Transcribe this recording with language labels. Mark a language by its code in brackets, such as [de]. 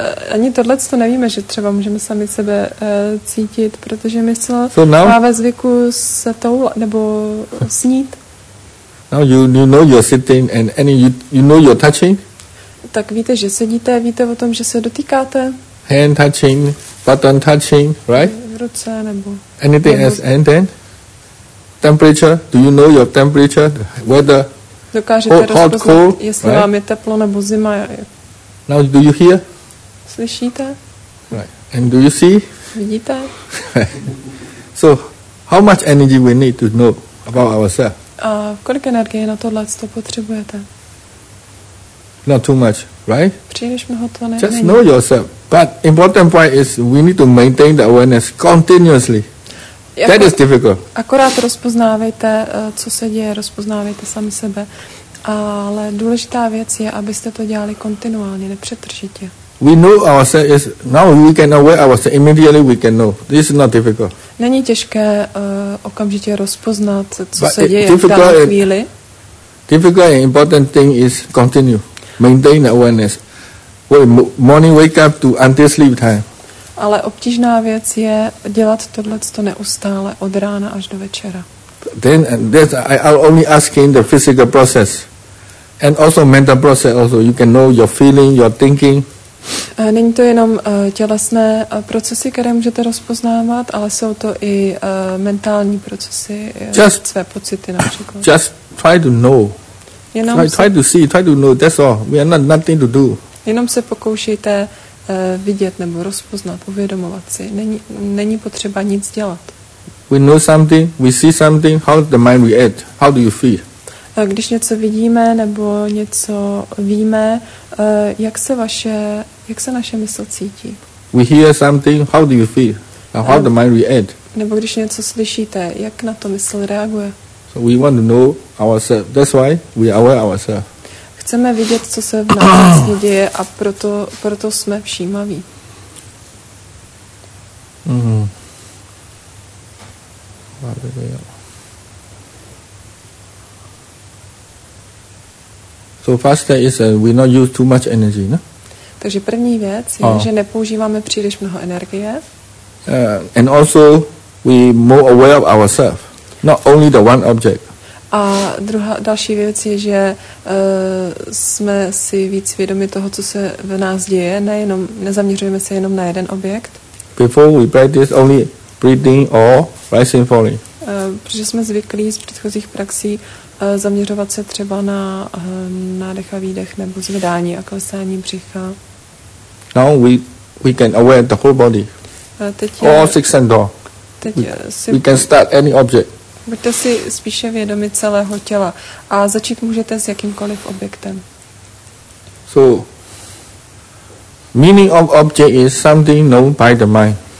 [cs] Ani tohleto nevíme, že třeba můžeme sami sebe cítit, protože mysl má ve zvyku se toulat nebo snít. [en] Now you know you're sitting and you know you're touching. [cs] Tak víte, že sedíte, víte o tom, že se dotýkáte. [en] Hand touching, button touching, right? [cs] V ruce nebo. [en] Anything else? And then temperature? Do you know your temperature? Weather? [cs] Dokážete rozpoznat, [en] cold, [cs] jestli [en] right? [cs] Vám je teplo nebo zima? [en] Now do you hear? [cs] Slyšíte? [en] Right. And do you see? [cs] Vidíte? [en] So how much energy we need to know about ourselves? [cs] A kolik energie na tohleto potřebujete? [en] Not too much, right? [cs] Příliš mnoho to není. [en] Just know yourself. But important point is we need to maintain the awareness continuously. That is difficult. [cs] Akorát rozpoznávejte, co se děje, rozpoznávejte sami sebe. Ale důležitá věc je, abyste to dělali kontinuálně, nepřetržitě. [en] We know ourselves is now we can know where ourselves immediately we can know. This is not difficult. [cs] Není těžké okamžitě rozpoznat, co se děje v dané chvíli. [en] Difficult and important thing is continue, maintain awareness. When morning wake up to until sleep time. [cs] Ale obtížná věc je dělat tohle to neustále od rána až do večera. [en] Then I'll only ask in the physical process and also mental process. Also you can know your feeling, your thinking. [cs] Není to jenom tělesné procesy, které můžete rozpoznávat, ale jsou to i mentální procesy, [en] just, [cs] své pocity například. [en] Just try to know. Try to see, try to know, that's all. We have nothing to do. [cs] Jenom se pokoušejte vidět nebo rozpoznat, uvědomovat si. Není potřeba nic dělat. [en] We know something, we see something, how the mind react, how do you feel? [cs] Když něco vidíme nebo něco víme, jak se naše mysl cítí? [en] We hear something, how do you feel? And how the mind react? [cs] Nebo když něco slyšíte, jak na to mysl reaguje? [en] So we want to know ourselves. That's why we are aware ourselves. [cs] Chceme vidět, co se v nás děje a proto jsme všímaví. [en] So first thing is we not use too much energy, no? [cs] Takže první věc je, že nepoužíváme příliš mnoho energie. [en] And also we more aware of ourselves, not only the one object. [cs] A další věc je, že jsme si víc vědomi toho, co se v nás děje, nezaměřujeme se jenom na jeden objekt. [en] Before we practice only breathing or rising falling. [cs] Protože jsme zvyklí z předchozích praxí zaměřovat se třeba na nádech a výdech nebo zvedání a klesání břicha. [en] Now we can aware the whole body. All six senses. We can start any object. [cs] Buďte si spíše vědomi celého těla a začít můžete s jakýmkoliv objektem. [en] So meaning of object is something known by the mind.